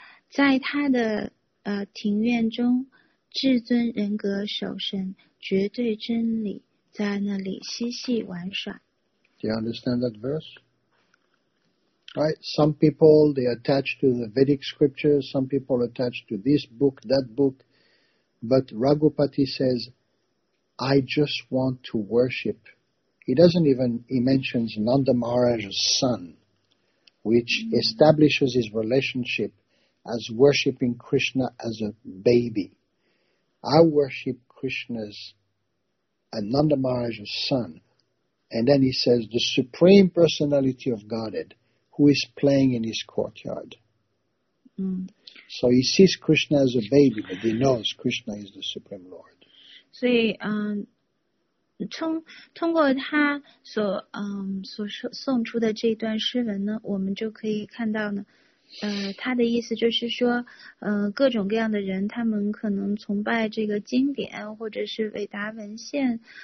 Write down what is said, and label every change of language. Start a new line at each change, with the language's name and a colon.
Chinese: 在他的庭院中，至尊人格守神，绝对真理在那里嬉戏玩耍。
English: Do you understand that verse? Right, some people they attach to the Vedic scriptures, some people attach to this book, that book, but Raghupati says, I just want to worship. He mentions Nanda Maharaj's son, which establishes his relationship as worshipping Krishna as a baby. I worship Krishna's Nanda Maharaj's son. And then he says, the Supreme Personality of Godhead, who is playing in his courtyard. So he sees Krishna as a baby, but he knows Krishna is the Supreme Lord.
Chinese: 所以通过他所送出的这段诗文呢，我们就可以看到呢，他的意思就是说，各种各样的人，他们可能崇拜这个经典或者是伟达文献，